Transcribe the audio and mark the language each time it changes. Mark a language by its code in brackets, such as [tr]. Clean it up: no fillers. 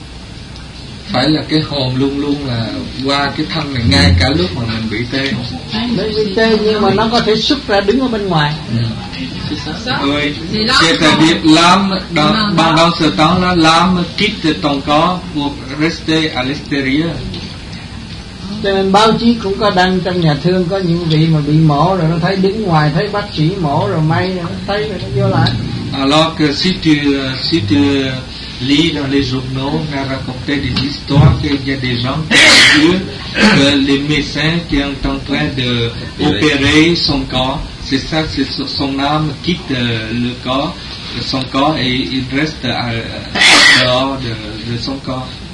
[vi] Phải là cái hồn luôn luôn là qua cái thân này ngay cả lúc mà mình bị tê. Nó bị tê nhưng mà nó có thể xuất ra đứng ở bên ngoài. [fr] Oui. C'est-à-dire l'âme pendant ce temps-là, l'âme quitte ton corps pour rester à l'extérieur. [vi] Cho nên báo chí cũng có đăng trong nhà thương có những vị mà bị mổ rồi nó thấy đứng ngoài thấy bác sĩ mổ rồi may rồi nó thấy rồi nó vô lại. [fr] Alors que si tu lis dans les journaux, on a raconté des histoires qu'il y a des gens qui ont vu que les médecins qui sont en train d'opérer son corps, c'est ça, c'est son âme quitte le corps, son corps, et il reste dehors de son corps.